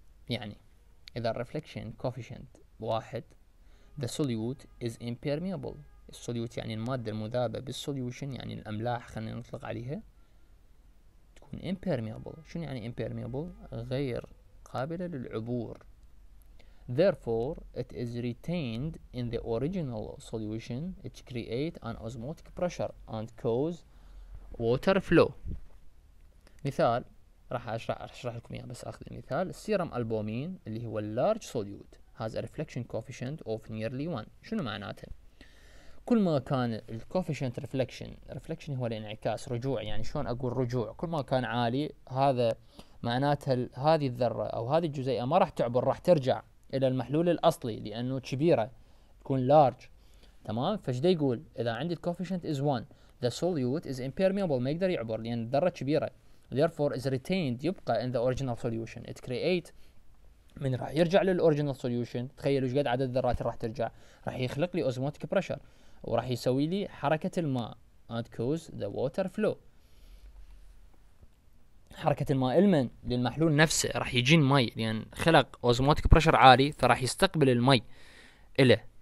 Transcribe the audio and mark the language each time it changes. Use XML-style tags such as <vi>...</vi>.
<ar>يعني إذا</ar> <en>reflection coefficient</en> <ar>واحد</ar> <en>the solute is impermeable.</en> <ar>solute يعني المادة المذابة بالsolution يعني الأملاح خلينا نطلق عليها تكون impermeable. شو يعني impermeable؟ غير قابلة للعبور.</ar> <en>Therefore, it is retained in the original solution. It creates an osmotic pressure and cause water flow.</en> <ar>مثال راح أشرح لكم إياه بس أخذ المثال.</ar> <en>Serum albumin</en> <ar>اللي هو</ar> <en>large solute has a reflection coefficient of nearly one.</en> <ar>شنو معناته؟ كل ما كان ال coefficient reflection هو الانعكاس رجوع. يعني شلون أقول رجوع؟ كل ما كان عالي هذا معناته هذه الذرة أو هذه الجزيئة ما راح تعبر راح ترجع إلى المحلول الأصلي لأنه كبيرة تكون large. تمام؟ فشدي يقول إذا عندي</ar> <en>coefficient is one the solute is impermeable</en> <ar>ما يقدر يعبر لأن الذرة كبيرة.</ar> <en>Therefore is retained</en> <ar>يبقى</ar> <en>in the original solution. It create</en> <ar>من راح يرجع للoriginal solution. تخيلوا إيش قد عدد الذرات راح ترجع راح يخلق لي osmotic pressure وراح يسوي لي حركة الماء</ar> <en>and cause the water flow.</en> <ar>حركة الماء المن للمحلول نفسه راح يجين ماء لأن خلق osmotic pressure عالي فراح يستقبل الماء إله.</ar>